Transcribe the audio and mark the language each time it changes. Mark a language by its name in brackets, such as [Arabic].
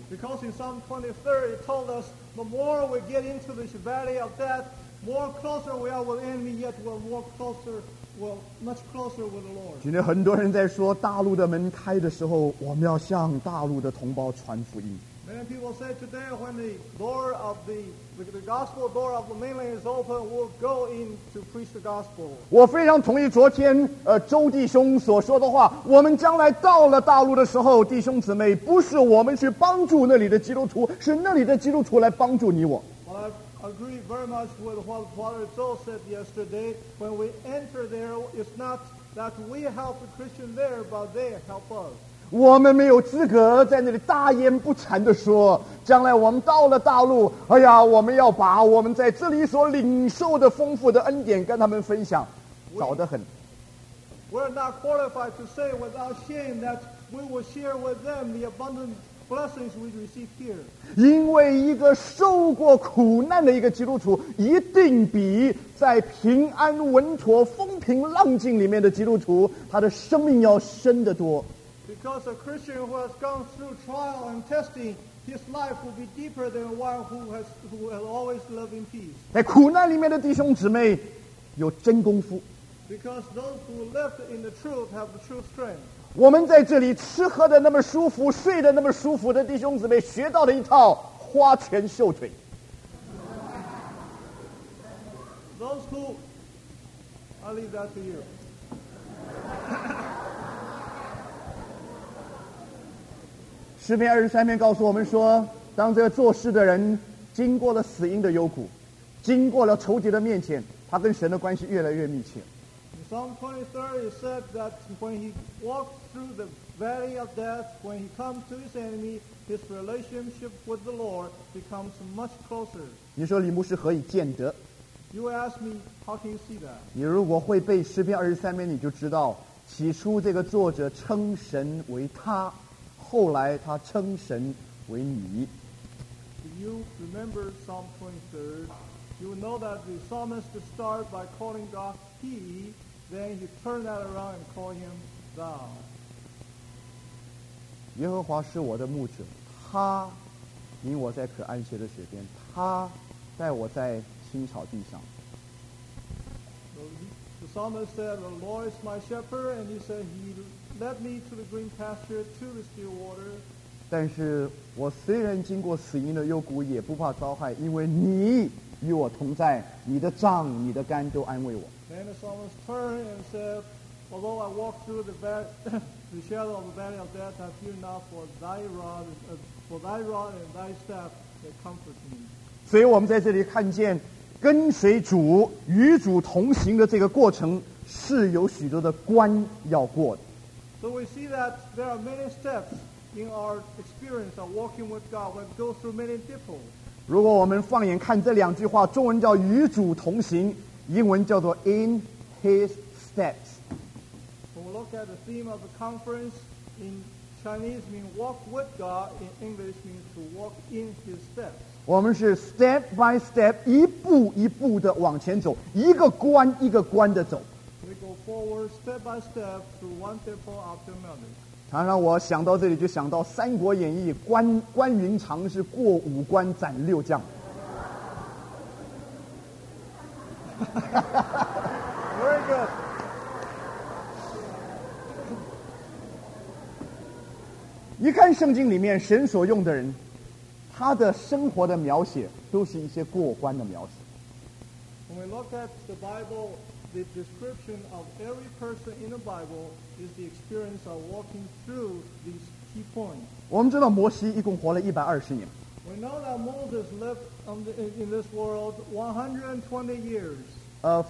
[English] Because in Psalm 23, it told us the more we get into this valley of death, more closer we are with the enemy, yet we're more closer, well, much closer with the Lord. [Chinese] 今天很多人在说，大陆的门开的时候，我们要向大陆的同胞传福音。 [English] Many people say today when the door of the gospel door of the mainland is open, we'll go in to preach the gospel. [Chinese] 我非常同意昨天周弟兄所说的话，我们将来到了大陆的时候，弟兄姊妹，不是我们去帮助那里的基督徒，是那里的基督徒来帮助你我。 [English] Well, I agree very much with what Father Joe said yesterday. When we enter there, it's not that we help the Christian there, but they help us. [Chinese] 我们没有资格在那里大言不惭地说，将来我们到了大陆，哎呀，我们要把我们在这里所领受的丰富的恩典跟他们分享，早得很。 [English] We're not qualified to say without shame that we will share with them the abundant blessings we receive here. [Chinese] 因为一个受过苦难的一个基督徒，一定比在平安稳妥风平浪静里面的基督徒，他的生命要深得多。 [English] Because a Christian who has gone through trial and testing, his life will be deeper than one who has always lived in peace. [Chinese] 在苦难里面的弟兄姊妹有真功夫。 [English] Because those who live in the truth have the true strength. [Chinese] 我们在这里吃喝的那么舒服，睡的那么舒服的弟兄姊妹，学到了一套花拳绣腿。 [English] Those who, I'll leave that to you. [Chinese] 诗篇二十三篇告诉我们说，当这个做事的人经过了死荫的幽谷，经过了仇敌的面前，他跟神的关系越来越密切。 [English] Psalm 23 said that when he walks through the valley of death, when he comes to his enemy, his relationship with the Lord becomes much closer. [Chinese] 你说李牧师何以见得？ [English] You ask me how can you see that? [Chinese] 你如果会背诗篇二十三篇，你就知道起初这个作者称神为他。后来他称神为你。 [English] Do you remember Psalm 23? You know that the psalmist started by calling God He, then he turned that around and called Him Thou. [Chinese] 耶和华是我的牧者，他领我在可安歇的水边，他带我在青草地上。 [English] The psalmist said, "The Lord is my shepherd," and he said, "He led me to the green pasture, to the still water." [Chinese] 但是我虽然经过死荫的幽谷，也不怕遭害，因为你与我同在，你的杖、你的竿都安慰我。 [English] Then the psalmist turned and said, "Although I walk through the shadow of the valley of death, I fear not, for thy rod and thy staff they comfort me." [Chinese] 所以我们在这里看见。跟随主与主同行的这个过程是有许多的关要过的。 [English] So we see that there are many steps in our experience of walking with God. We go through many difficulties. [Chinese] 如果我们放眼看这两句话，中文叫与主同行，英文叫做 [English] in his steps. When we look at the theme of the conference in Chinese means walk with God, in English means to walk in his steps. [Chinese] 我们是 [English] step by step [Chinese] 一步一步的往前走，一个关一个关的走。 [English] We go forward step by step to one temple after another. [Chinese] 常常我想到这里就想到《三国演义》，关云长是过五关斩六将。 [English] Very good. [Chinese] 一看圣经里面神所用的人，他的生活的描写都是一些过关的描写。 [English] When we look at the Bible, the description of every person in the Bible is the experience of walking through these key points. [Chinese] 我们知道摩西一共活了120年。 [English] We know that Moses lived in this world 120 years.